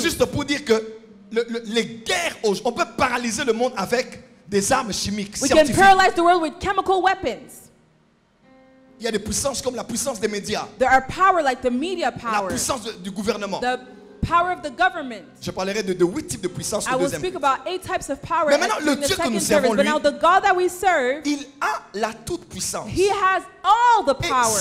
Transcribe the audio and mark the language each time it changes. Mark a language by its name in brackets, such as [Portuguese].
[French] Juste pour dire que les guerres, on peut paralyser le monde avec des armes chimiques. [English] We can paralyze the world with chemical weapons. [French] Il y a des puissances comme la puissance des médias. [English] There are power like the media power. [French] La puissance du gouvernement. [English] The power of the government. [French] Je parlerai de 8 types de puissance au deuxième. [English] I will speak about 8 types of power. [French] Mais maintenant, le Dieu que nous servons, lui, [English] now, the God that we serve, [French] il a la toute puissance. [English] He has all the power.